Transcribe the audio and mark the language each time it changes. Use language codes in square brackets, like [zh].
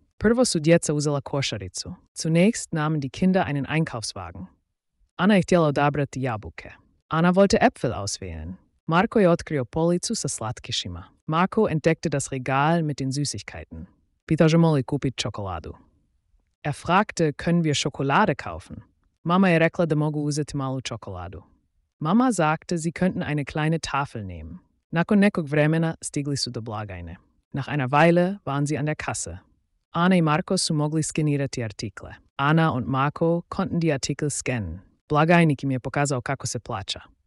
[hr] Prvo su djeca uzela košaricu. [de] Zunächst nahmen die Kinder einen Einkaufswagen. [hr] Ana je htjela odabrati jabuke. [de] Ana wollte Äpfel auswählen. [hr] Marko je otkrio policu sa slatkišima. [de] Marko entdeckte das Regal mit den Süßigkeiten. [hr] Pitao je moli kupit čokoladu. [de] Er fragte, können wir Schokolade kaufen? [hr] Mama je rekla da mogu uzeti malu čokoladu. [de] Mama sagte, sie könnten eine kleine Tafel nehmen. [hr] Nakon nekog vremena stigli su do blagajne. [de] Nach einer Weile waren sie an der Kasse. [hr] Ana i Marko su mogli skenirati artikle. [de] Ana und Marko konnten die Artikel scannen. [hr] Blagajnik im je pokazao kako se plaća.